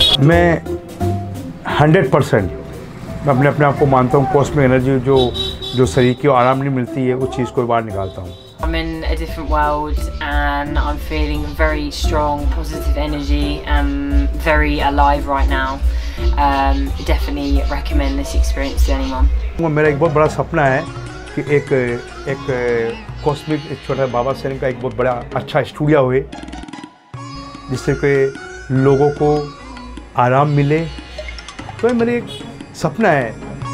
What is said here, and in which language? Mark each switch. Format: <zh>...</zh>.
<hi>मैं 100% मैं अपने आप को मानता हूँ कॉस्मिक एनर्जी जो शरीर की आराम नहीं मिलती है उस चीज़ को बाहर निकालता हूँ</hi> <en>I'm in a different world and I'm feeling very strong positive energy and very alive right now. Definitely recommend this experience to anyone.</en> <hi>मेरा एक बहुत बड़ा सपना है कि एक कॉस्मिक छोटा बाबा सेन का एक बहुत बड़ा अच्छा स्टूडियो हुए जिससे कि लोगों को आराम मिले तो मेरे एक सपना है</hi>